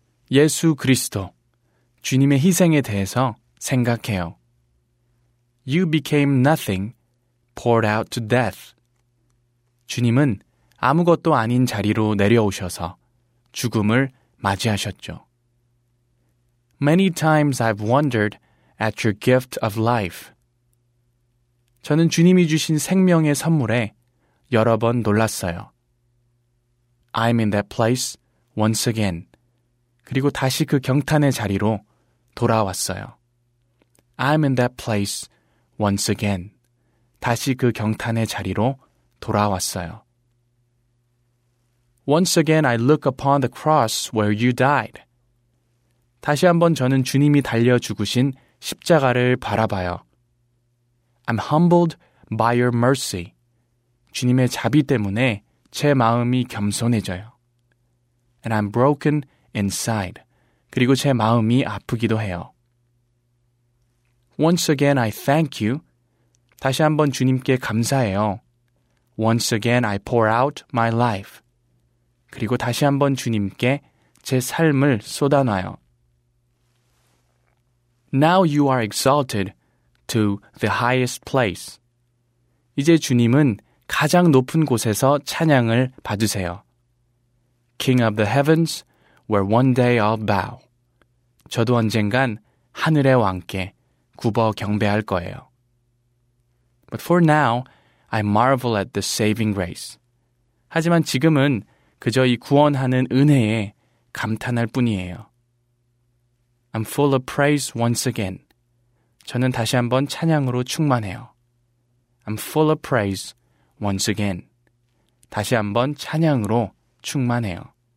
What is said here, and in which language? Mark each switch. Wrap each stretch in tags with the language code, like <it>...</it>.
<ko>예수 그리스도, 주님의 희생에 대해서 생각해요.</ko> <en>You became nothing, poured out to death.</en> <ko>주님은 아무것도 아닌 자리로 내려오셔서 죽음을 맞이하셨죠.</ko> <en>Many times I've wondered at your gift of life.</en> <ko>저는 주님이 주신 생명의 선물에 여러 번 놀랐어요.</ko> <en>I'm in that place once again.</en> <ko>그리고 다시 그 경탄의 자리로 돌아왔어요.</ko> <en>I'm in that place once again.</en> <ko>다시 그 경탄의 자리로 돌아왔어요.</ko> <en>Once again, I look upon the cross where you died.</en> <ko>다시 한번 저는 주님이 달려 죽으신 십자가를 바라봐요.</ko> <en>I'm humbled by your mercy.</en> <ko>주님의 자비 때문에 제 마음이 겸손해져요.</ko> <en>And I'm broken inside.</en> <ko>그리고 제 마음이 아프기도 해요.</ko> <en>Once again, I thank you.</en> <ko>다시 한번 주님께 감사해요.</ko> <en>Once again, I pour out my life.</en> <ko>그리고 다시 한번 주님께 제 삶을 쏟아놔요.</ko> <en>Now you are exalted to the highest place.</en> <ko>이제 주님은 가장 높은 곳에서 찬양을 받으세요.</ko> <en>King of the heavens, where one day I'll bow.</en> <ko>저도 언젠간 하늘의 왕께 굽어 경배할 거예요.</ko> <en>But for now, I marvel at the saving grace.</en> <ko>하지만 지금은 그저 이 구원하는 은혜에 감탄할 뿐이에요.</ko> <en>I'm full of praise once again.</en> <ko>저는 다시 한번 찬양으로 충만해요.</ko> <en>I'm full of praise once again.</en> <ko>다시 한번 찬양으로 충만해요.</ko>